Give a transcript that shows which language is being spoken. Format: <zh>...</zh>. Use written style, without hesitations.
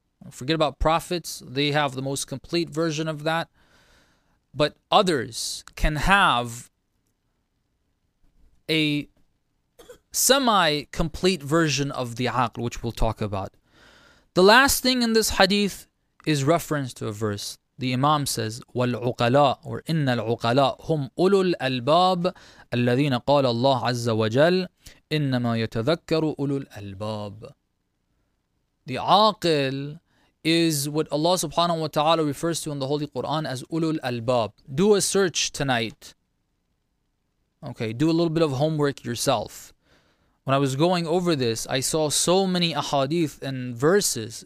<en>Forget about prophets, they have the most complete version of that. But others can have a semi-complete version of the aqil, which we'll talk about. The last thing in this hadith is reference to a verse. The Imam says,</en> <ar>وَالْعُقَلَاء or إِنَّ الْعُقَلَاء هُمْ أُولُو الْأَلْبَابِ الَّذِينَ قَالَ اللَّهُ عَزَّ وَجَلُ إِنَّمَا يَتَذَكَّرُ أُولُو الْأَلْبَابِ.</ar> <en>The aqil is what Allah subhanahu wa ta'ala refers to in the Holy Quran as أُولُو الْأَلْبَابِ. Do a search tonight. Okay, do a little bit of homework yourself. When I was going over this, I saw so many ahadith and verses.</en>